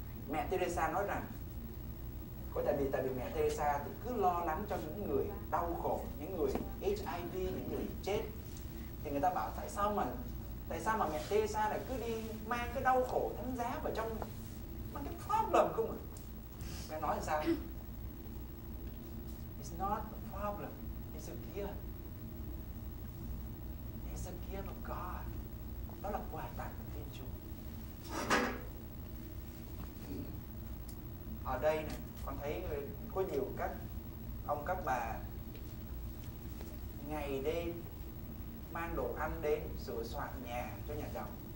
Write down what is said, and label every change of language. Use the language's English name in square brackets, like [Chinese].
[Vietnamese] Mẹ Teresa nói rằng, có tại vì mẹ Teresa thì cứ lo lắng cho những người đau khổ, những người HIV, những người chết. Thì người ta bảo tại sao mà mẹ Teresa lại cứ đi mang cái đau khổ thánh giá vào trong, mang cái problem không ạ? Mẹ nói là sao? [English] It's not a problem, it's a gift. It's a gift of God. [Vietnamese] Đó là quà tặng của Thiên Chúa. Ở đây này, con thấy có nhiều các ông các bà ngày đêm mang đồ ăn đến sửa soạn nhà cho nhà chồng.